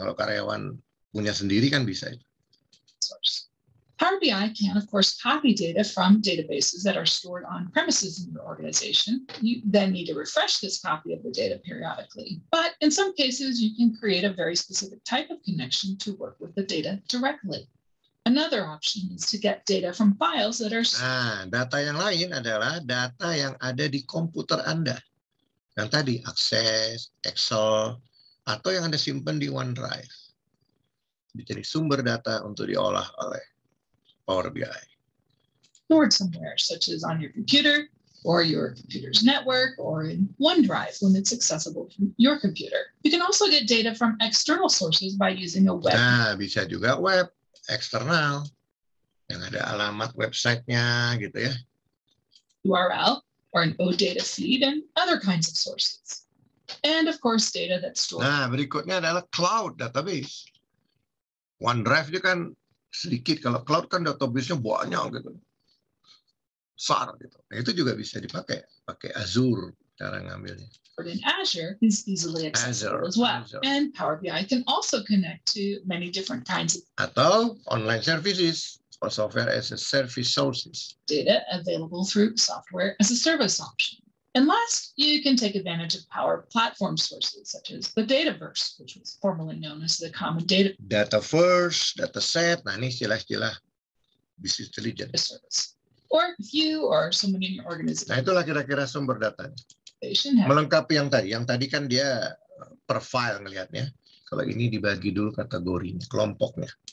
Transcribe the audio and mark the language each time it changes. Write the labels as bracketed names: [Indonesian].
[Indonesian] Kalau karyawan punya sendiri kan bisa itu. [English] Power BI can of course copy data from databases that are stored on premises in your organization. You then need to refresh this copy of the data periodically. But in some cases, you can create a very specific type of connection to work with the data directly. Another option is to get data from files that are. [Indonesian] Nah, data yang lain adalah data yang ada di komputer Anda. Yang tadi Access, Excel, atau yang Anda simpan di OneDrive. Jadi sumber data untuk diolah oleh Power BI. [English] Stored somewhere, such as on your computer or your computer's network or in OneDrive when it's accessible from your computer. You can also get data from external sources by using a web. [Indonesian] Nah, bisa juga web. External yang ada alamat websitenya gitu ya. [English] URL or an OData feed and other kinds of sources. And of course data that's stored. [Indonesian] Nah, berikutnya adalah cloud database. OneDrive itu kan sedikit, kalau cloud kan database-nya banyak gitu. Besar gitu. Nah, itu juga bisa dipakai, pakai Azure cara ngambilnya. [English] And Azure is easily accessible Azure, as well. Azure. And Power BI can also connect to many different kinds of atau online services or software as a service sources. Data available through software as a service option. And last, you can take advantage of Power Platform sources such as the Dataverse, which was formerly known as the Common Data. [Indonesian] Dataverse, Dataset, nah ini istilah-istilah business intelligence. [English] A service. Or if you or someone in your organization. [Indonesian] Nah itulah kira-kira sumber datanya. Melengkapi yang tadi kan dia per file ngelihatnya. Kalau ini dibagi dulu kategorinya, kelompoknya.